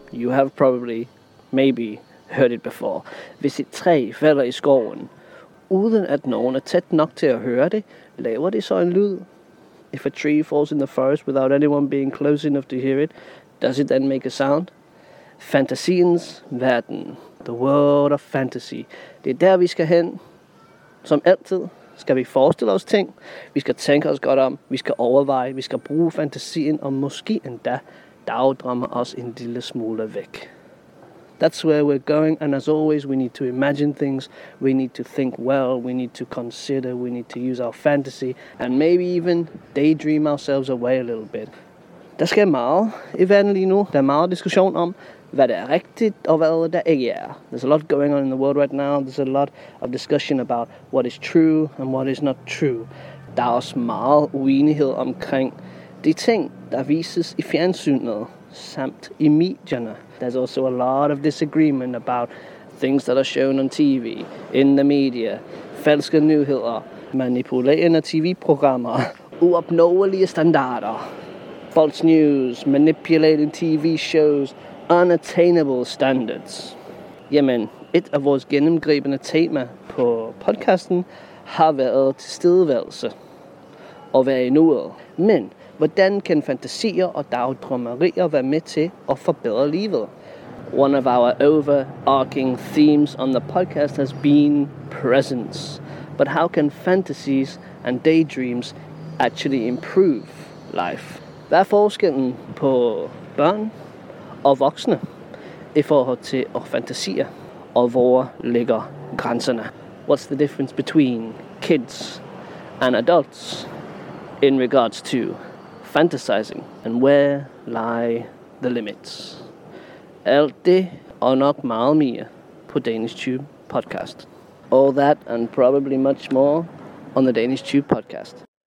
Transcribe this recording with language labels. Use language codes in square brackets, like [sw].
[en] You have probably, maybe, heard it before. [da] Hvis et træ falder i skoven, uden at nogen er tæt nok til at høre det, laver det så en lyd? [en] If a tree falls in the forest without anyone being close enough to hear it, does it then make a sound? [da] Fantasiens verden. [en] The world of fantasy. [da] Det er der, vi skal hen. Som altid skal vi forestille os ting. Vi skal tænke os godt om. Vi skal overveje. Vi skal bruge fantasien. Og måske endda dagdrømme os en lille smule væk. [en] That's where we're going. And as always, we need to imagine things. We need to think well. We need to consider. We need to use our fantasy. And maybe even daydream ourselves away a little bit. [da] Der skal meget i verden lige nu. Der er meget diskussion om, hvad der er rigtigt og hvad der ikke er. [en] There's a lot going on in the world right now. There's a lot of discussion about what is true and what is not true. [da] Der er også meget uenighed omkring de ting, der vises i fjernsynet samt i medierne. [en] There's also a lot of disagreement about things that are shown on TV, in the media, [da] falske nyheder, manipulerende TV-programmer, uopnåelige standarder, [en] false news, manipulating TV shows, unattainable standards. [da] Jamen, et af vores gennemgribende tema på podcasten har været tilstedeværelse og være i nuet. Men hvordan kan fantasier og dagdrømmerier være med til at forbedre livet? [en] One of our overarching themes on the podcast has been presence. But how can fantasies and daydreams actually improve life? [da] Hvad er forskellen på børn og voksne i forhold til at fantasier? Og hvor ligger grænserne? [en] What's the difference between kids and adults in regards to fantasizing? And where lie the limits? [da] Alt det og nok meget mere på Danish Tube Podcast. [en] All that and probably much more on the Danish Tube Podcast.